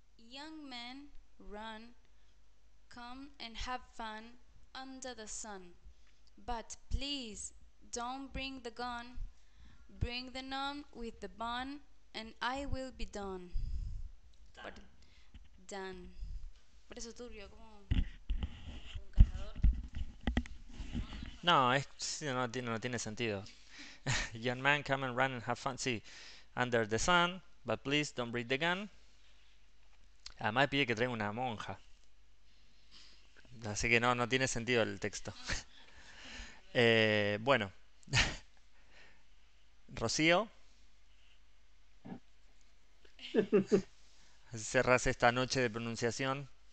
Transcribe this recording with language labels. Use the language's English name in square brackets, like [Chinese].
[English] Young men run, come and have fun under the sun. But please, don't bring the gun, bring the nun with the bun, and I will be done. But done. [Spanish] Por eso turbio, como un cazador. No, no tiene sentido. [English] Young man, come and run and have fun. Sí, under the sun, but please don't bring the gun. [Spanish] Además pide que traiga una monja. Así que no tiene sentido el texto. Bueno. Rocío, cerrás esta noche de pronunciación.